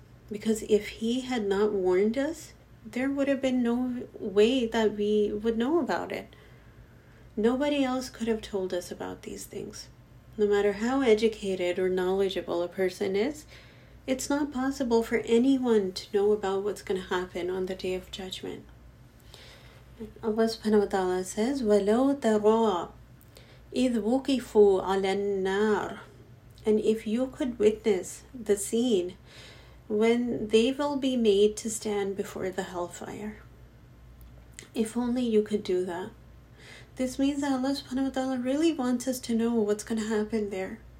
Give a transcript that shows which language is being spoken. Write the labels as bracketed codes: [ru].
[en] Because if he had not warned us, there would have been no way that we would know about it. Nobody else could have told us about these things. No matter how educated or knowledgeable a person is, it's not possible for anyone to know about what's going to happen on the Day of Judgment. Allah subhanahu wa ta'ala says, [ar] وَلَوْ تَرَىٰ إِذْ وُقِفُوا عَلَى النَّارِ. [en] And if you could witness the scene when they will be made to stand before the hellfire. If only you could do that. This means that Allah subhanahu wa ta'ala really wants us to know what's going to happen there.